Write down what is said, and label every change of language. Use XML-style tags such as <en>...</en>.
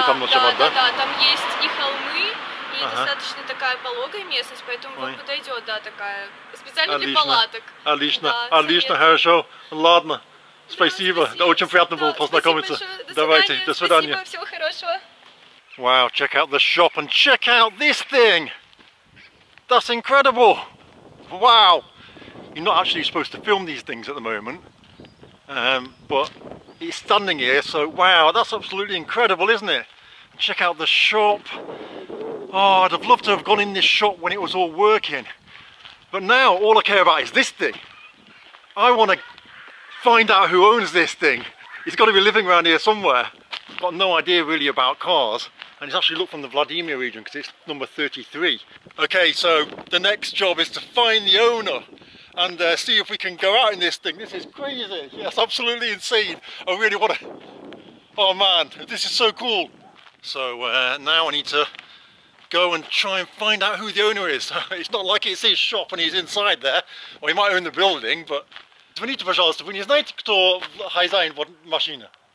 <ru>и там ночевать, да? Да, да, да. Там есть и холмы, и достаточно такая пологая местность, поэтому вам подойдет, да, такая. Специально отлично. Для палаток. Отлично, да, отлично, хорошо. Ладно, спасибо. Да, очень приятно было познакомиться. До Давайте, свидания. До свидания. Спасибо, всего хорошего.</ru> <en>Wow, check out the shop and check out this thing. That's incredible. Wow. You're not actually supposed to film these things at the moment, but it's standing here, so wow, that's absolutely incredible, isn't it? Check out the shop. Oh, I'd have loved to have gone in this shop when it was all working, but now all I care about is this thing. I want to find out who owns this thing. He's got to be living around here somewhere. Got no idea really about cars, And it's actually looked from the Vladimir region because it's number 33. Okay, so the next job is to find the owner and see if we can go out in this thing. This is crazy. Yes, absolutely insane. I really want to... Oh man, this is so cool. So now I need to go and try and find out who the owner is. It's not like it's his shop and he's inside there. Well, he might own the building, but...</en> <ru>Извините, пожалуйста, вы не знаете, кто хозяин вот машины?</ru>